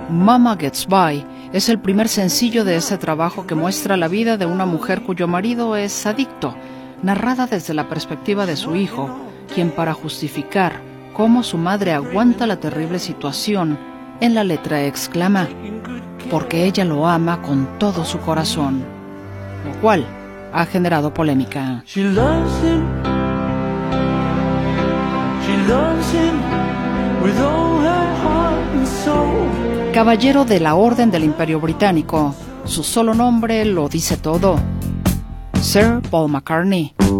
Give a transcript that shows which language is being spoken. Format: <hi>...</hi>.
<es>Mama Gets By es el primer sencillo de ese trabajo que muestra la vida de una mujer cuyo marido es adicto, narrada desde la perspectiva de su hijo, quien para justificar cómo su madre aguanta la terrible situación, en la letra exclama, porque ella lo ama con todo su corazón, lo cual ha generado polémica.</es> <en>She loves him. She loves him with all her heart and soul.</en> <es>Caballero de la Orden del Imperio Británico, su solo nombre lo dice todo. Sir Paul McCartney.</es>